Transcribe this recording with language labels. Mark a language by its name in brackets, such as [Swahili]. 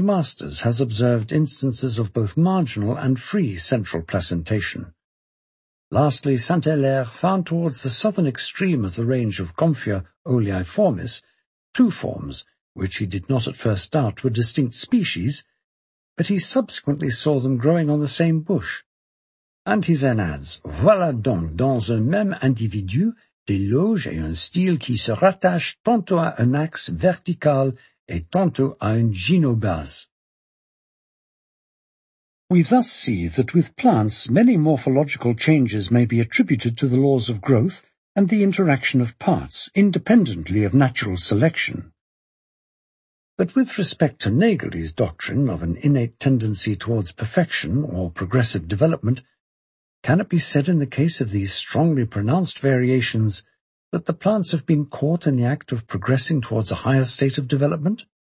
[English] Masters has observed instances of both marginal and free central placentation. Lastly, Saint-Hilaire found towards the southern extreme of the range of Comphia oleiformis two forms, which he did not at first doubt were distinct species, but he subsequently saw them growing on the same bush. And he then adds, [French] voilà donc dans un même individu des loges et un style qui se rattachent tantôt à un axe vertical et tantôt à une gynobase. [English] We thus see that with plants many morphological changes may be attributed to the laws of growth and the interaction of parts, independently of natural selection. But with respect to Naegeli's doctrine of an innate tendency towards perfection or progressive development, can it be said in the case of these strongly pronounced variations that the plants have been caught in the act of progressing towards a higher state of development?